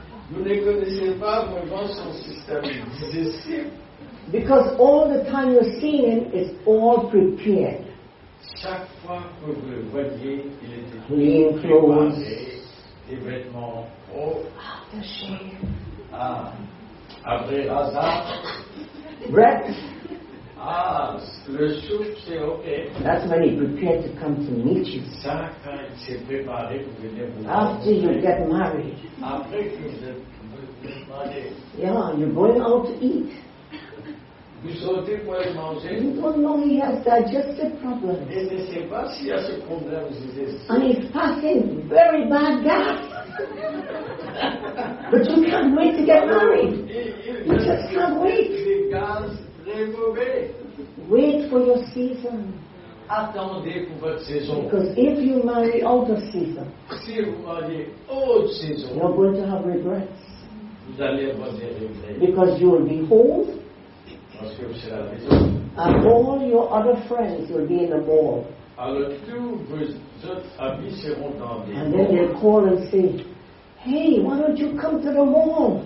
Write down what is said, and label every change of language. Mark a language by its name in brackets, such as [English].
[French] Vous ne connaissez pas vraiment son système digestif. [English] Because all the time you're seeing him is all prepared. [French] Chaque fois que vous le voyez, il est [English] clean clothes, [French] des vêtements propres. [English] After shave. [French] Ah, après rasage. [English] Breath. [French] Ah, le soupe, c'est ok. [English] That's when he prepared to come to meet you. [French] Ça, quand il s'est préparé pour venir vous [English] voir. After you get married. [French] Après que vous êtes marié. [English] Yeah, you're going out to eat. [French] Vous sortez pour aller manger. [English] You don't know he has digestive problems. [French] Et ne sait pas s'il y a ce problème digestif. [English] And he's passing very bad gas. But you can't wait to get married. You just can't wait. Wait for your season. [French] Attendez pour votre saison. [English] Because if you marry out of season, [French] si vous mariez hors de saison, [English] you're going to have regrets. [French] Vous allez avoir des regrets. [English] Because you will be old. [French] Parce que vous serez à la maison. [English] And all your other friends will be in the mall. [French] Alors tous vos autres amis seront dans les. [English] And then they'll call and say, hey, why don't you come to the mall?